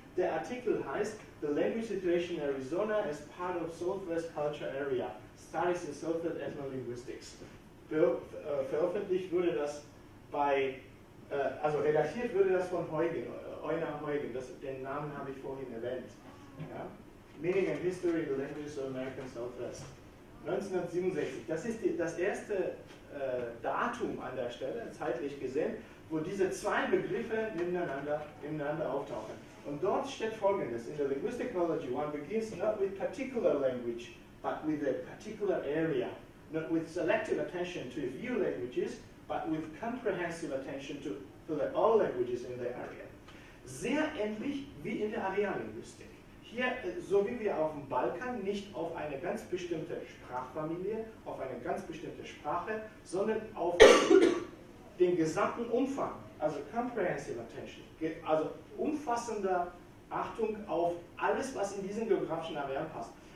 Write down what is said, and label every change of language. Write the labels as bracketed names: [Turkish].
[German] Der Artikel heißt The Language Situation in Arizona as Part of Southwest Culture Area, Studies in Southwest Ethnolinguistics. Veröffentlicht wurde das bei, also redaktiert wurde das von Euna Heugen, den Namen habe ich vorhin erwähnt. Ja? [English] Meaning and History of the Languages of American Southwest. [German] 1967, das ist das erste Datum an der Stelle, zeitlich gesehen, wo diese zwei Begriffe nebeneinander auftauchen. [English] Und dort steht Folgendes: [German] In der [English] Linguistic Ecology, one begins not with particular language, but with a particular area. Not with selective attention to a few languages, but with comprehensive attention to the all languages in the area. [German] Sehr ähnlich wie in der Areallinguistik. Hier, so wie wir auf dem Balkan nicht auf eine ganz bestimmte Sprachfamilie, auf eine ganz bestimmte Sprache, sondern auf den gesamten Umfang, also [English] comprehensive attention, [German] also umfassende Achtung auf alles, was in diesen geografischen Areal passt.